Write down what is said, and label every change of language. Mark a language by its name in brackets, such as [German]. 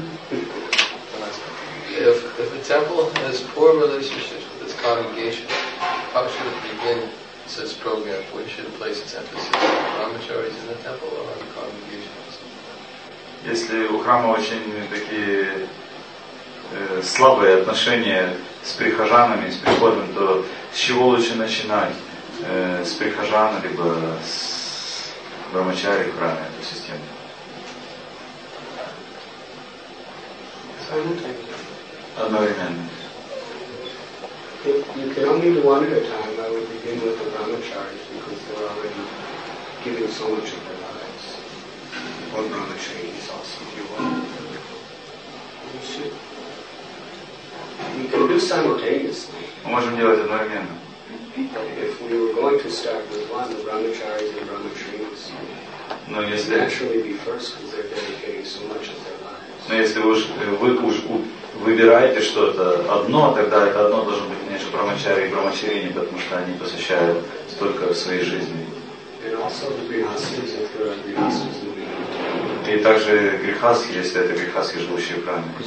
[English] If the temple has poor relationships with its congregation, how should it begin this program? Where should it place its emphasis? Brahmacharis in the temple or on the congregation? [Russian] Если у храма очень такие слабые отношения с прихожанами, с приходом, то с чего лучше начинать? С прихожан, либо с брамачари в храме, этой системе? Одновременно. [English] If you can only do one at a time, I would begin with the brahmacharis because they're already giving so much of their lives. One brahmachari is awesome, if you want. You can do simultaneously. [Russian] Мы можем делать одновременно. [English] If we were going to start with one, the brahmacharis and brahmacharis would naturally be first because they're dedicating so much of their lives. [Russian] Но если выбираете что-то одно, тогда это одно должно быть, конечно, брамачари и брамачарини, потому что они посвящают столько своей жизни. И также грехасхи, если это грехасхи, живущие в храме.